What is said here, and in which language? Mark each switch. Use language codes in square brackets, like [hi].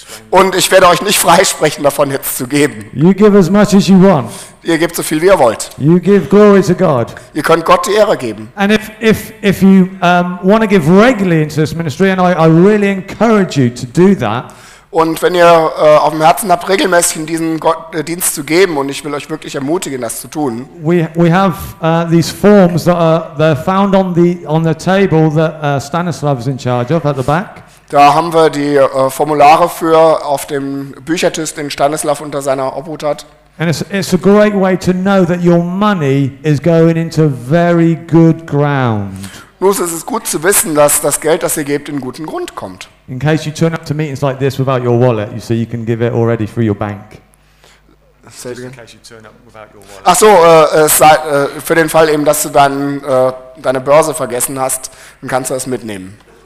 [de] Und ich werde euch nicht freisprechen davon, jetzt zu geben. [en] You give as much as you want. [de] Ihr gebt so viel, wie ihr wollt. [en] You give glory to God. [de] Ihr könnt Gott die Ehre geben. [en] And if you want to give regularly into this ministry, and I really encourage you to do that. [de] Und wenn ihr auf dem Herzen habt, regelmäßig in diesen Dienst zu geben, und ich will euch wirklich ermutigen, das zu tun. [en] We have these forms that they're found on the table that Stanislav is in charge of at the back. [de] Da haben wir die Formulare für auf dem Büchertisch, den Stanislav unter seiner Obhut hat. [en] And it's a great way to know that your money is going into very good ground. [de] Nur ist es gut zu wissen, dass das Geld, das ihr gebt, in guten Grund kommt. [en] In case you turn up to meetings like this without your wallet, you see, you can give it already through your bank. Just in case you turn up without your wallet. [de] Ach so, für den Fall eben, dass du deine Börse vergessen hast, dann kannst du das mitnehmen.